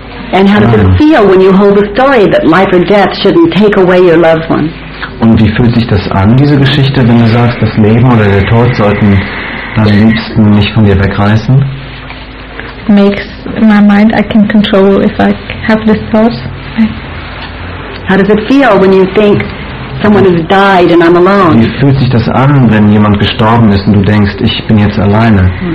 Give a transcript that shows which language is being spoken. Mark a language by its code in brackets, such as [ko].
[en] And how does it feel when you hold a story that life or death shouldn't take away your loved one? [de] Und wie fühlt sich das an, diese Geschichte, wenn du sagst, das Leben oder der Tod sollten am liebsten nicht von dir wegreißen? [en] Makes my mind I can control if I have this thought. How does it feel when you think someone has died and I'm alone? [de] Wie fühlt sich das an, wenn jemand gestorben ist und du denkst, ich bin jetzt alleine?